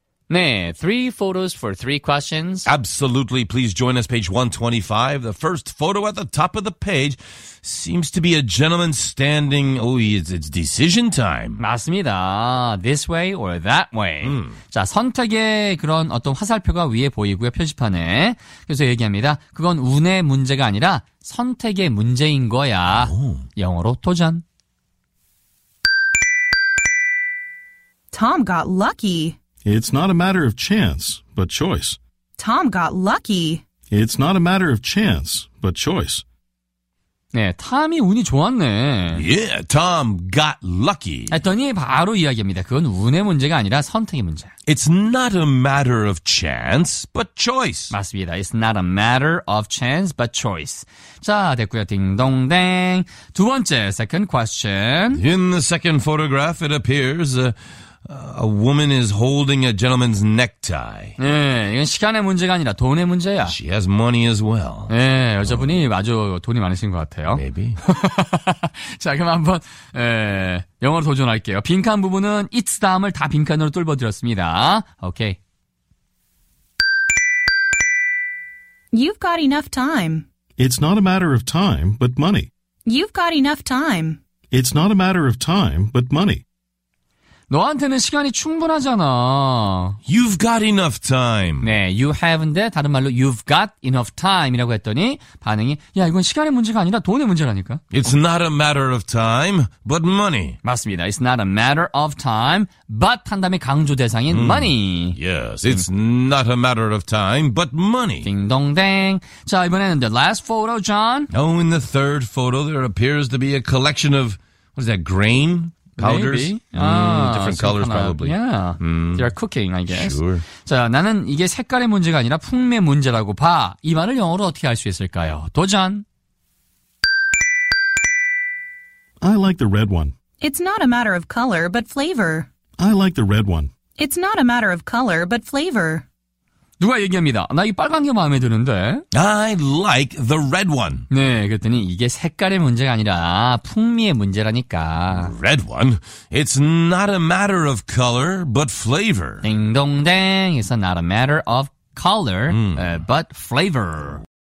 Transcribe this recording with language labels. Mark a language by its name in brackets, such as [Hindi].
[English] Nee, three photos for three questions. Absolutely. Please join us, page 125. The first photo at the top of the page seems to be a gentleman standing. Oh, it's decision time. [Korean] 맞습니다. [English] This way or that way. [Korean] 자, 선택의 그런 어떤 화살표가 위에 보이고요, 표지판에. 그래서 얘기합니다. 그건 운의 문제가 아니라 선택의 문제인 거야. 오. 영어로 도전. [English] Tom got lucky. It's not a matter of chance, but choice. Tom got lucky. It's not a matter of chance, but choice. [Korean] 네, 톰이 운이 좋았네. [English] Yeah, Tom got lucky. [Korean] 했더니 바로 이야기합니다. 그건 운의 문제가 아니라 선택의 문제. [English] It's not a matter of chance, but choice. [Korean] 맞습니다. [English] It's not a matter of chance, but choice. [Korean] 자, 됐고요. 딩동댕. 두 번째, [English] second question. In the second photograph, it appears... A woman is holding a gentleman's necktie. [Korean] 네, 이건 시간의 문제가 아니라 돈의 문제야. [English] She has money as well. [Korean] 네, 여자분이 아주 돈이 많으신 것 같아요. [English] Maybe. [Korean] 자, 그럼 한번 에, 영어로 도전할게요. 빈칸 부분은 it's 다음을 다 빈칸으로 뚫어드렸습니다. [English] 오케이. You've got enough time. It's not a matter of time, but money. You've got enough time. It's not a matter of time, but money. [Korean] 너한테는 시간이 충분하잖아. [English] You've got enough time. 네, you haven't. [Korean] 다른 말로 [English] you've got enough time [Korean] 이라고 했더니 반응이 야, 이건 시간의 문제가 아니라 돈의 문제라니까. [English] It's not a matter of time, but money. [Korean] 맞습니다. [English] It's not a matter of time, but [Korean] 한 다음에 강조 대상인 [English] money. Yes, it's not a matter of time, but money. [Korean] 딩동댕. 자, 이번에는 [English] the last photo, John. Oh, in the third photo, there appears to be a collection of, what is that, grain? Powders? Different colors, probably. Yeah. They are cooking, I guess. Sure. [Korean] 자, 나는 이게 색깔의 문제가 아니라 풍미의 문제라고 봐. 이 말을 영어로 어떻게 할 수 있을까요? 도전! [English] I like the red one. It's not a matter of color, but flavor. I like the red one. It's not a matter of color, but flavor. [Korean] 누가 얘기합니다. 나 이 빨간 게 마음에 드는데. [English] I like the red one. [Korean] 네, 그랬더니 이게 색깔의 문제가 아니라 풍미의 문제라니까. [English] Red one. It's not a matter of color, but flavor. [Korean] 딩동댕. [English] It's not a matter of color, but flavor.